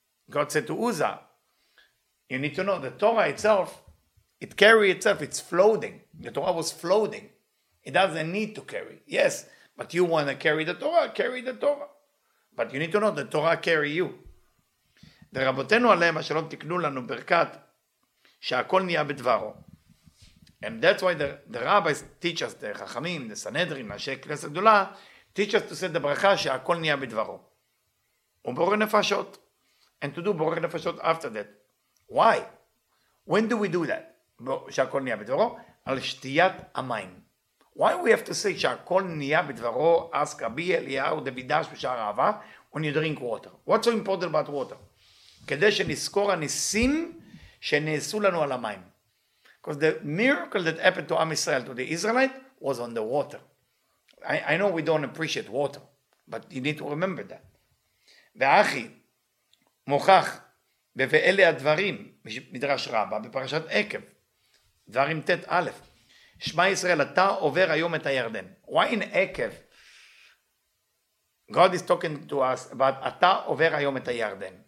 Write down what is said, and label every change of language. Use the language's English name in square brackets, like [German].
[English] God said to Uza, you need to know the Torah itself. It carry itself. It's floating. The Torah was floating. It doesn't need to carry. Yes. But you want to carry the Torah, carry the Torah. But you need to know the Torah carry you. [Hebrew] ורבותינו עליהם השלום תקנו לנו ברכת שהכל נהיה בדברו. [English] And that's why the rabbis teach us, the חכמים, the סנהדרין, [Hebrew] אנשי כנסת גדולה, [English] teach us to say the ברכה שהכל נהיה בדברו. ובורא נפשות. And to do בורא נפשות after that. Why? When do we do that? שהכל נהיה בדברו? [Hebrew] על שתיית המים. [English] Why we have to say שהכל נהיה בדברו, ask רבי אליהו דבידש בשער אהבה, when you drink water? What's so important about water? [Hebrew] כדי שנזכור הניסים שנעשו לנו על המים. [English] Because the miracle that happened to Am Israel, to the Israelite, was on the water. I know we don't appreciate water, but you need to remember that. [Hebrew] ואחי, מוכח, ואלה הדברים, מדרש רבה, בפרשת עקב, דברים ת' א', שמה ישראל, אתה עובר היום את הירדן. [English] Why in Ekev? God is talking to us about [Hebrew] אתה עובר היום את הירדן.